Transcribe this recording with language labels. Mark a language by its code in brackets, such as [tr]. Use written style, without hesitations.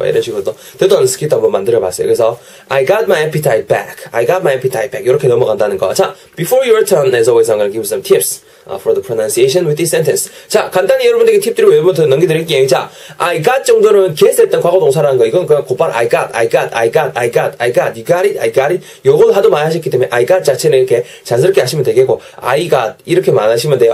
[ko] 뭐, 이런 식으로 또, 되돌아온 스킵도 한번 만들어봤어요. 그래서, [en] I got my appetite back. [ko] 이렇게 넘어간다는 거. 자, [en] before your turn, as always, I'm gonna give you some tips. For the pronunciation with this sentence. [ko] 자, 간단히 여러분들에게 팁들을 외부부터 넘겨드릴게요. 자, I got 정도는 get했던 과거동사라는 거. 이건 그냥 곧바로 I got. [en] You got it? I got it? [ko] 요걸 하도 많이 하셨기 때문에 I got 자체는 이렇게 자연스럽게 하시면 되겠고 I got 이렇게 많이 하시면 돼요.